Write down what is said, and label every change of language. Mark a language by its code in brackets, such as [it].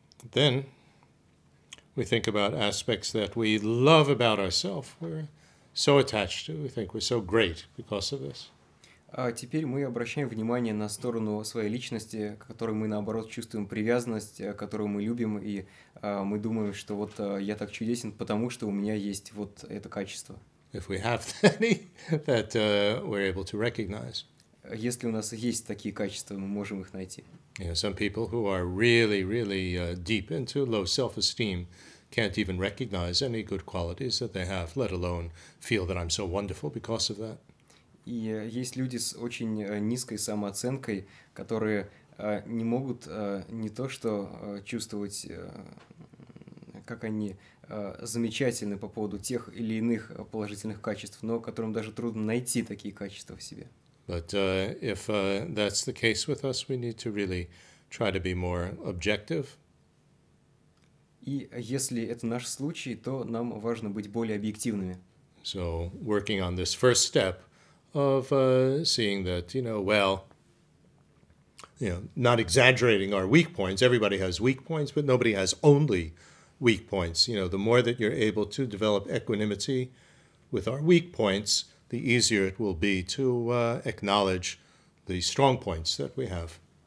[en] Then we think about aspects that we love about ourselves. We're so attached to. We think we're so great because of this. [ru] А теперь мы обращаем внимание на сторону своей личности, к которой мы, наоборот, чувствуем привязанность, которую мы любим, и мы думаем, что вот я так чудесен, потому что у меня есть вот это качество. [en] If we have any, that we're able to recognize. [ru] Если у нас есть такие качества, мы можем их найти. [en] You know, some people who are really, really deep into low self-esteem can't even recognize any good qualities that they have, let alone feel that I'm so wonderful because of that. [ru] И есть люди с очень низкой самооценкой, которые не могут не то что чувствовать, как они замечательны по поводу тех или иных положительных качеств, но которым даже трудно найти такие качества в себе. [en] But if that's the case with us, we need to really try to be more objective. [ru] И если это наш случай, то нам важно быть более объективными. [en] So working on this first step of seeing that, you know, well, you know, not exaggerating our weak points. Everybody has weak points, but nobody has only weak points. You know, the more that you're able to develop equanimity with our weak points, the easier it will be to acknowledge the strong points that we have.